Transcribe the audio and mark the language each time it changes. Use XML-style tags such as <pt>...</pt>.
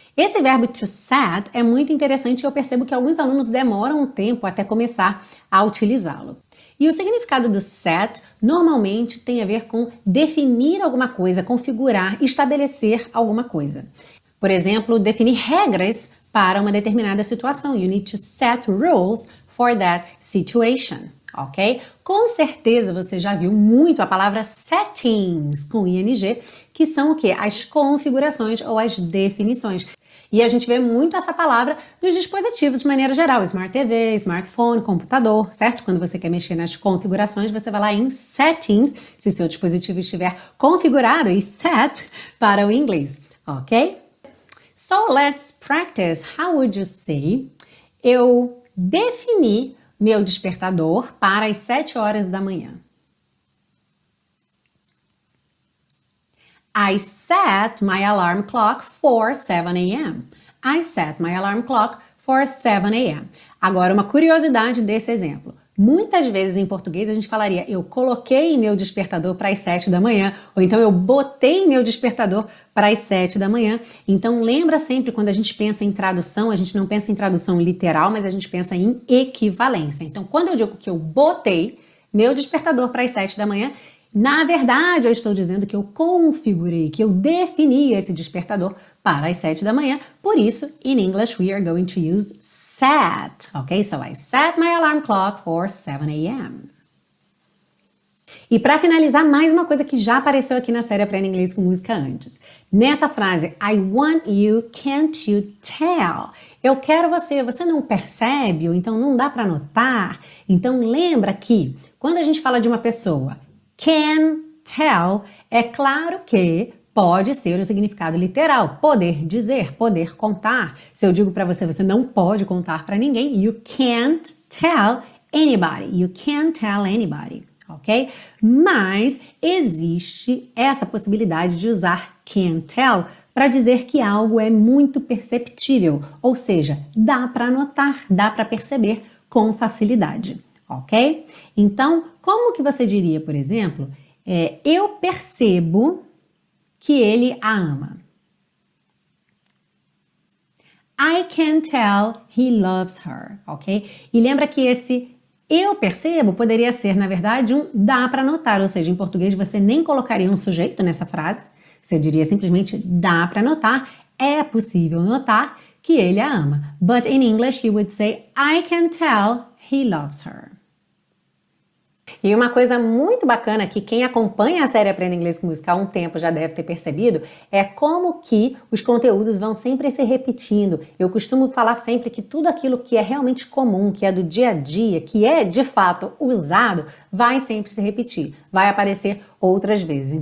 <pt>Esse verbo to set é muito interessante e eu percebo que alguns alunos demoram um tempo até começar a utilizá-lo. E o significado do set normalmente tem a ver com definir alguma coisa, configurar, estabelecer alguma coisa. Por exemplo, definir regras para uma determinada situação.</pt> <en>You need to set rules for that situation, ok?</en> <pt>Com certeza você já viu muito a palavra settings com ing, que são o quê? As configurações ou as definições. E a gente vê muito essa palavra nos dispositivos de maneira geral, smart TV, smartphone, computador, certo? Quando você quer mexer nas configurações, você vai lá em settings, se seu dispositivo estiver configurado, e set para o inglês, ok?</pt> <en>So let's practice. How would you say?</en> <pt>Eu defini meu despertador para as 7 horas da manhã.</pt> <en>I set my alarm clock for 7 a.m. I set my alarm clock for 7 a.m.</en> <pt>Agora, uma curiosidade desse exemplo. Muitas vezes em português a gente falaria eu coloquei meu despertador para as 7 da manhã, ou então eu botei meu despertador para as 7 da manhã. Então, lembra sempre quando a gente pensa em tradução, a gente não pensa em tradução literal, mas a gente pensa em equivalência. Então, quando eu digo que eu botei meu despertador para as 7 da manhã, na verdade, eu estou dizendo que eu configurei, que eu defini esse despertador para as 7 da manhã. Por isso,</pt> <en>in English, we are going to use set, ok? So, I set my alarm clock for 7 a.m.</en> <pt>E para finalizar, mais uma coisa que já apareceu aqui na série Aprenda Inglês com Música antes. Nessa frase,</pt> <en>I want you, can't you tell?</en> <pt>Eu quero você. Você não percebe? Ou então não dá para notar? Então lembra que quando a gente fala de uma pessoa, can tell, é claro que pode ser o significado literal, poder dizer, poder contar. Se eu digo para você, você não pode contar para ninguém,</pt> <en>you can't tell anybody,</en> <pt>you can't tell anybody, ok? Mas existe essa possibilidade de usar can tell para dizer que algo é muito perceptível, ou seja, dá para notar, dá para perceber com facilidade, ok? Então, como que você diria, por exemplo, eu percebo que ele a ama.</pt> <en>I can tell he loves her, ok?</en> <pt>E lembra que esse eu percebo poderia ser, na verdade, um dá para notar, ou seja, em português você nem colocaria um sujeito nessa frase, você diria simplesmente dá para notar, é possível notar que ele a ama.</pt> <en>But in English you would say I can tell he loves her.</en> <pt>E uma coisa muito bacana que quem acompanha a série Aprenda Inglês com Música há um tempo já deve ter percebido é como que os conteúdos vão sempre se repetindo. Eu costumo falar sempre que tudo aquilo que é realmente comum, que é do dia a dia, que é de fato usado, vai sempre se repetir, vai aparecer outras vezes.</pt>